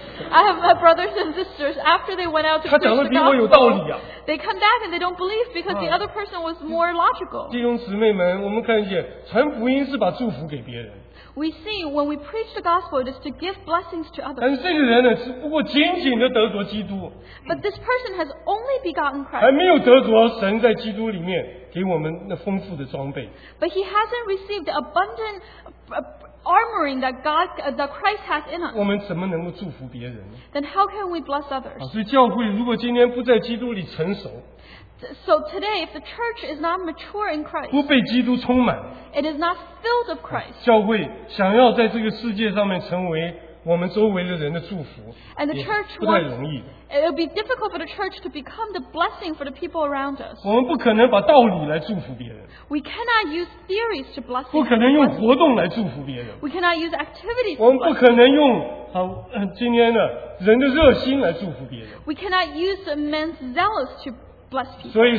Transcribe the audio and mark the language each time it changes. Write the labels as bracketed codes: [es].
[en] I have my brothers and sisters, after they went out to preach the gospel, they come back and they don't believe because 啊, the other person was more logical. [zh] 弟兄姊妹们, 我们看见, 传福音是把祝福给别人。 [en] We see when we preach the gospel, it is to give blessings to others. [zh] 但是这个人呢, [en] but this person has only begotten Christ. [zh] 还没有得着神在基督里面给我们那丰富的装备。 [en] But he hasn't received the abundant armoring that God, that Christ has in us. [zh] 我们怎么能够祝福别人? [en] Then how can we bless others? [zh] 所以教会如果今天不在基督里成熟, [en] so today, if the church is not mature in Christ, [zh] 不被基督充满, [en] it is not filled of Christ, [zh] 教会想要在这个世界上面成为我们周围的人的祝福, [en] and the church [zh] 也不太容易, [en] it would be difficult for the church to become the blessing for the people around us. [zh] 我们不可能把道理来祝福别人, [en] we cannot use theories to bless people. [zh] 不可能用活动来祝福别人, [en] we cannot use activities to bless people. [zh] 我们不可能用今天的人的热心来祝福别人, [en] we cannot use the man's zealous to bless people.